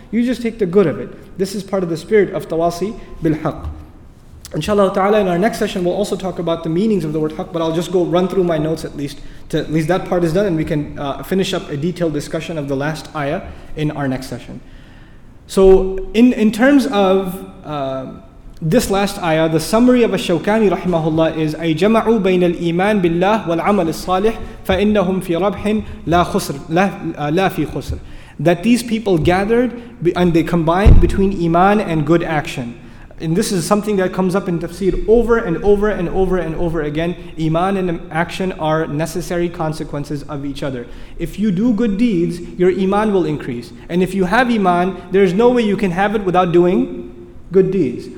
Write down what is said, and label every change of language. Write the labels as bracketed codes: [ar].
[en] You just take the good of it. This is part of the spirit of Tawasi bil Haqq. Inshallah ta'ala, in our next session, we'll also talk about the meanings of the word haqq, but I'll just go run through my notes at least that part is done, and we can finish up a detailed discussion of the last ayah in our next session. So in terms of this last ayah, the summary of Ash-Shawkani rahimahullah is [ar] أي جمعوا بين الإيمان بالله والعمل الصالح فإنهم في ربح لا في خسر. [en] That these people gathered and they combined between iman and good action. And this is something that comes up in tafsir over and over and over and over again. Iman and action are necessary consequences of each other. If you do good deeds, your iman will increase. And if you have iman, there's no way you can have it without doing good deeds.